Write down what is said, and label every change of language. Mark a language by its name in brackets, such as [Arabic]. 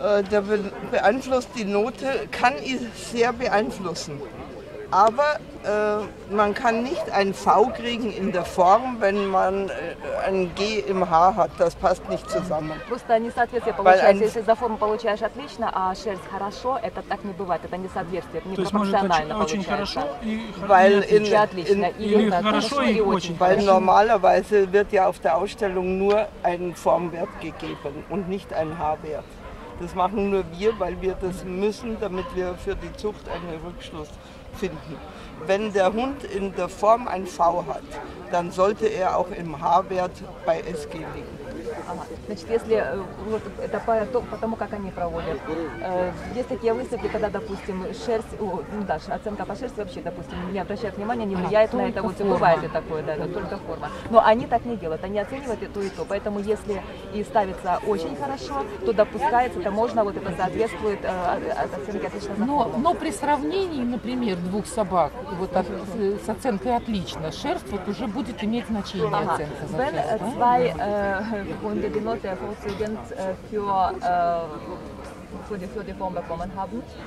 [German] Der beeinflusst die Note, kann ihn sehr beeinflussen. Aber man kann nicht ein V kriegen in der Form, wenn man ein G im H hat. Das passt nicht zusammen. [Russian] Просто несоответствие получается, если за форму получаешь отлично, а шерсть хорошо, это так не бывает. Это несоответствие, непропорционально получается. [German] Weil in [Russian] хорошо и очень. [German] Weil normalerweise wird ja auf der Ausstellung nur ein Formwert gegeben und nicht ein H-Wert. Das machen nur wir, weil wir das müssen, damit wir für die Zucht einen Rückschluss finden. Wenn der Hund in der Form ein V hat, dann sollte er auch im H-Wert bei SG liegen. [Russian] Ага. Значит, если вот это по тому, как они проводят, есть такие выставки, когда, допустим, оценка по шерсти вообще, допустим, не обращают внимания, не влияет на это, вот и бывает и такое, да, это только форма. Но они так не делают, они оценивают и то, поэтому если и ставится очень хорошо, то допускается, то можно, вот это соответствует оценке отлично. Но при сравнении, например, двух собак, вот с оценкой отлично, шерсть вот уже будет иметь значение, ага, оценка за шерсть, да? [German] Hunde, die Note vorzugend für die Form bekommen haben.